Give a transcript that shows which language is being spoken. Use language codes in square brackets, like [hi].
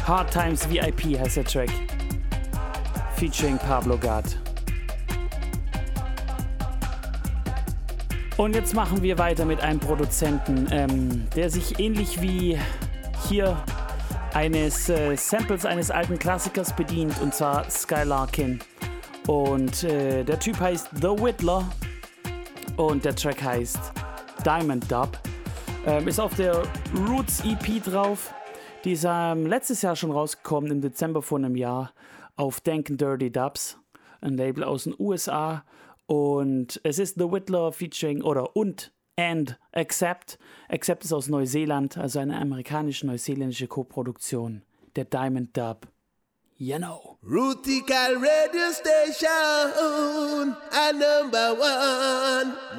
[en] Hard Times VIP has a track featuring Pablo Gard. [de] Und jetzt machen wir weiter mit einem Produzenten, der sich ähnlich wie hier eines Samples eines alten Klassikers bedient, und zwar Skylarkin. Und der Typ heißt The Whittler und der Track heißt Diamond Dub. Ist auf der Roots EP drauf, die ist letztes Jahr schon rausgekommen, im Dezember vor einem Jahr, auf Dankin' Dirty Dubs, ein Label aus den USA. Und es ist The Whittler featuring, oder und And Accept. Accept ist aus Neuseeland, also eine amerikanisch-neuseeländische Co-Produktion. Der Diamond Dub. [en] You know. Rootikal Radio Station, a number one.